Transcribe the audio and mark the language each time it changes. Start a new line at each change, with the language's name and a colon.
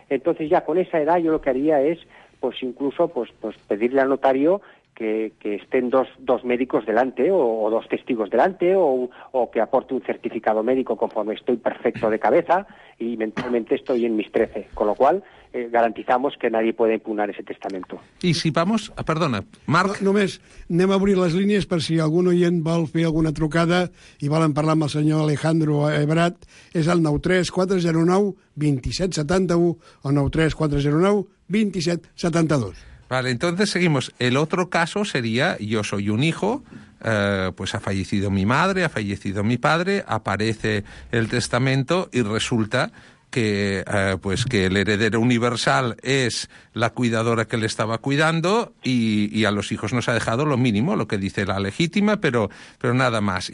Spanish: Entonces ya con esa edad yo lo que haría es, pues incluso, pues pedirle al notario que estén dos médicos delante o dos testigos delante o que aporte un certificado médico conforme estoy perfecto de cabeza y mentalmente estoy en mis 13, con lo cual garantizamos que nadie puede impugnar ese testamento. I si vamos, perdona, Marc.
Catalan: No, només anem a obrir les línies per si algun oient vol fer alguna trucada i volen parlar amb el senyor Alejandro Ebrat, és el 93-409-2771 o 93-409-2772.
Spanish: Vale, entonces seguimos. El otro caso sería, yo soy un hijo, pues ha fallecido mi madre, ha fallecido mi padre, aparece el testamento y resulta que pues que el heredero universal es la cuidadora que le estaba cuidando y a los hijos nos ha dejado lo mínimo, lo que dice la legítima, pero nada más.